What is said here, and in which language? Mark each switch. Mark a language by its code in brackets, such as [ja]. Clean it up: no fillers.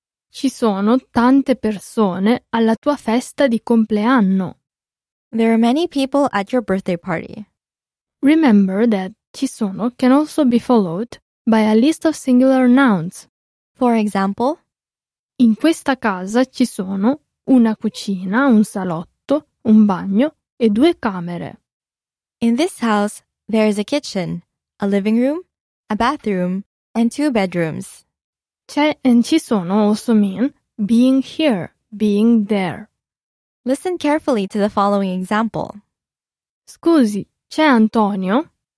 [it] Ci sono tante persone alla tua festa di compleanno. [en] There are many people at your birthday party. Remember that ci sono can also be followed by a list of singular nouns. For example, [it] in questa casa ci sono una cucina, un salotto, un bagno e due camere. [en] In this house, there is a kitchen, a living room, a bathroom, and two bedrooms. C'è and ci sono also mean being here, being there. Listen carefully to the following example. [it] Scusi, c'è Antonio?